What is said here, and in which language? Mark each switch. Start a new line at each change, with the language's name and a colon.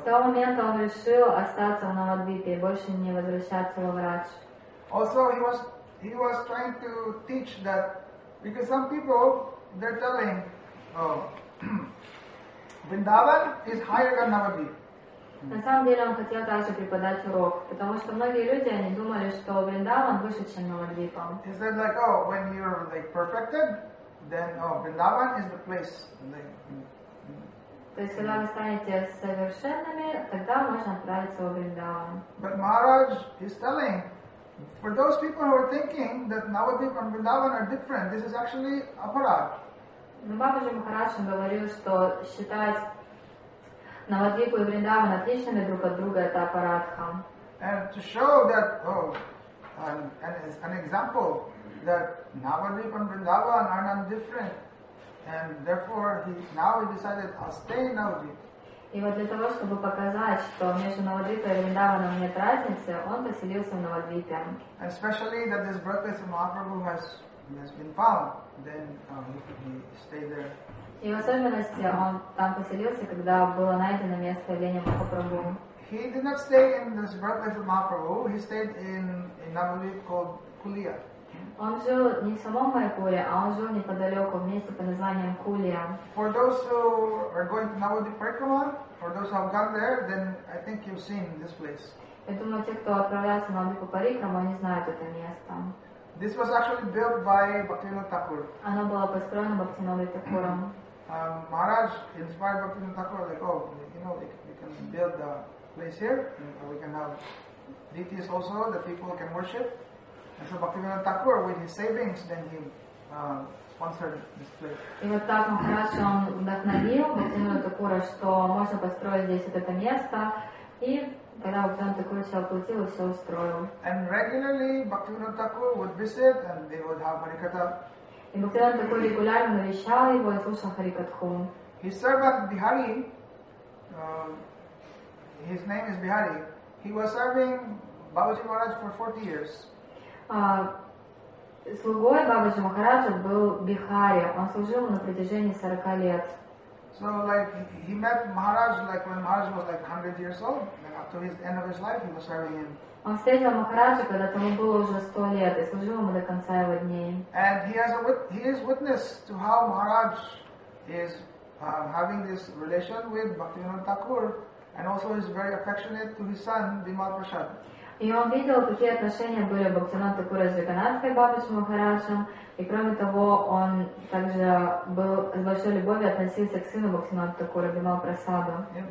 Russian: С того момента он решил остаться в Навадвипе и больше не возвращаться во Врадж.
English: Also, he was trying to teach that, because some people, they're telling, Vrindavan is higher than Navadvip.
Russian: На самом деле он хотел также преподать урок, потому что многие люди они думали, что Вриндаван выше, чем Навадвип.
English: He said like, oh, when you're like perfected, then Vrindavan is the place.
Russian: То есть когда вы станете совершенными, тогда можно отправиться в Вриндаван.
English: But Maharaj is telling, for those people who are thinking that Navadvip and Vrindavan are different, this is actually aparad.
Russian: Но Бабаджи Махарадж говорил, что считать Навадвипу и Вриндаван отличными друг от друга – это апарадха.
English: And to show that, an example that Навадвип and Вриндаван are not different, and therefore now he decided to stay in Навадвип.
Russian: И вот для того, чтобы показать, что между Навадвипой и Вриндаваном нет разницы, он поселился в Навадвипе.
English: Especially that this birthplace of Mahaprabhu has been found. Then he stayed there.
Russian: И в особенности он там поселился, когда было найдено место явления Махапрабху.
English: He did not stay in this birthplace of Mahaprabhu. He stayed in Navadvip called Kulia.
Russian: Он жил не в самом Майпуре, а он жил неподалеку, в месте под названием Кулия.
English: For those who are going to Navadvip Parikrama, for those who have gone there, then I think you've seen this place.
Russian: Я думаю, те, кто отправляется на Навадвип Парикрама, они знают это место.
English: This was actually built by Bhaktivinoda Thakur.
Russian: Оно было построено Бхактивинодой Такуром.
English: Maharaj inspired Bhaktivinoda Thakur, like, oh, you know, we can build a place here, and we can have deities also that people can worship. And so Bhaktivinoda Thakur, with his savings, then he sponsored this place.
Russian: И вот так Maharaj он вдохновил Бхактивинода Такура, что можно построить здесь это место, и когда Бхактивинода Такур все оплатил и все устроил.
English: And regularly Bhaktivinoda Thakur would visit and they would have Harikatha.
Russian: И Бхактивинода Такур регулярно навещал его и слушал Харикатху.
English: His servant Bihari, his name is Bihari, he was serving Babaji Maharaj for 40 years.
Russian: Слугой Бабаджи Махараджа был Бихари, он служил на протяжении 40 лет.
English: So like he met Maharaj like when Maharaj was like 100 years old, like up to his end of his life he was serving him.
Russian: Он встретил Махараджа, когда тому было уже 100 лет, и служил ему до конца его дней.
English: And he is witness to how Maharaj is having this relation with Bhaktivinoda Thakur, and also is very affectionate to his son Bimal Prasad.
Russian: И он видел, какие отношения были Бхактивинода Такура с Джаганнатхой Бабаджи Махараджем, и кроме того, он также был с большой любовью относился к сыну Бхактивинода Такура, Бимал Прасаду.